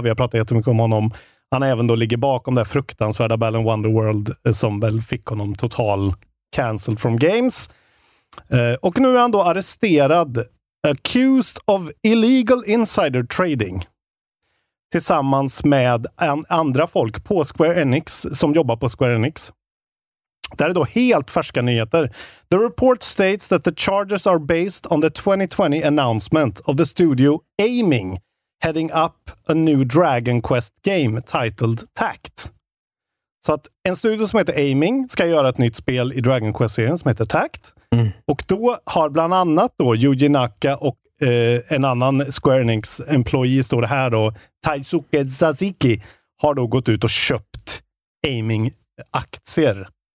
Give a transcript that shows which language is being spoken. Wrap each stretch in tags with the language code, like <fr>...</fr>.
<sv>Vi har pratat jättemycket om honom. Han även då ligger bakom det här fruktansvärda Balan Wonderworld som väl fick honom</sv> <en>total cancelled from games.</en> <sv>Och nu är han då arresterad,</sv> <en>accused of illegal insider trading,</en> <sv>tillsammans med andra folk på Square Enix som jobbar på Square Enix. Det är då helt färska nyheter.</sv> <en>The report states that the charges are based on the 2020 announcement of the studio Aiming heading up a new Dragon Quest game titled Tact.</en> <sv>Så att en studio som heter Aiming ska göra ett nytt spel i Dragon Quest-serien som heter Tact. Mm. Och då har bland annat då Yuji Naka och en annan Square Enix employee, står det här då, Taisuke Tsatsiki, har då gått ut och köpt Aiming-aktier.</sv>